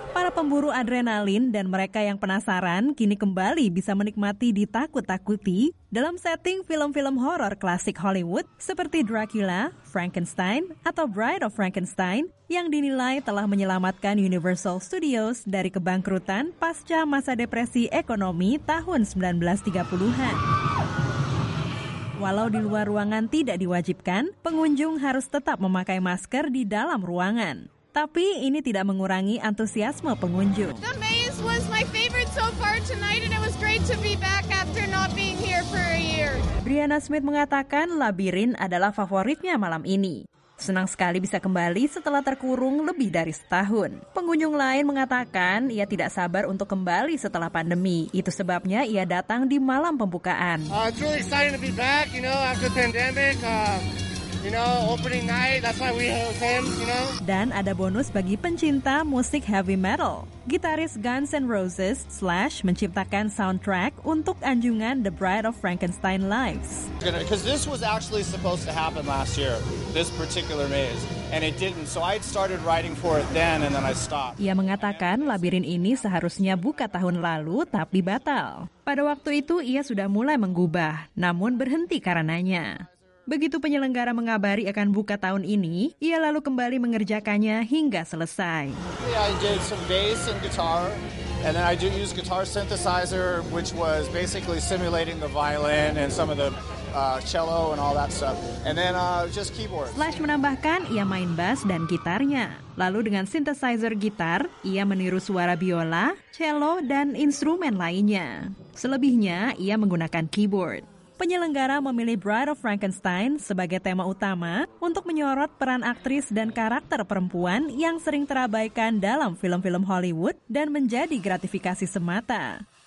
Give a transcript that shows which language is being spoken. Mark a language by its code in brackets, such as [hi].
[id] Pemburu adrenalin dan mereka yang penasaran kini kembali bisa menikmati ditakut-takuti dalam setting film-film horor klasik Hollywood seperti Dracula, Frankenstein, atau Bride of Frankenstein yang dinilai telah menyelamatkan Universal Studios dari kebangkrutan pasca masa depresi ekonomi tahun 1930-an. Walau di luar ruangan tidak diwajibkan, pengunjung harus tetap memakai masker di dalam ruangan. Tapi ini tidak mengurangi antusiasme pengunjung. [en] The maze was my favorite so far tonight and it was great to be back after not being here for a year. [id] Brianna Smith mengatakan Labirin adalah favoritnya malam ini. Senang sekali bisa kembali setelah terkurung lebih dari setahun. Pengunjung lain mengatakan ia tidak sabar untuk kembali setelah pandemi. Itu sebabnya ia datang di malam pembukaan. [en] It's really exciting to be back, you know, after the pandemic. Opening night, that's why we have him, [id] Dan ada bonus bagi pencinta musik heavy metal. Gitaris Guns N' Roses, Slash, menciptakan soundtrack untuk anjungan The Bride of Frankenstein Lives. [en] Because this was actually supposed to happen last year, this particular maze, and it didn't. So I started writing for it then, and then I stopped. [id] Ia mengatakan Labirin ini seharusnya buka tahun lalu, tapi batal. Pada waktu itu, ia sudah mulai menggubah, namun berhenti karenanya. Begitu penyelenggara mengabari akan buka tahun ini, ia lalu kembali mengerjakannya hingga selesai. [en] Yeah, I did some bass and guitar, and then I did use guitar synthesizer, which was basically simulating the violin and some of the cello and all that stuff, and then just keyboard. [id] Slash menambahkan ia main bass dan gitarnya. Lalu dengan synthesizer gitar, ia meniru suara biola, cello, dan instrumen lainnya. Selebihnya, ia menggunakan keyboard. Penyelenggara memilih Bride of Frankenstein sebagai tema utama untuk menyorot peran aktris dan karakter perempuan yang sering terabaikan dalam film-film Hollywood dan menjadi gratifikasi semata.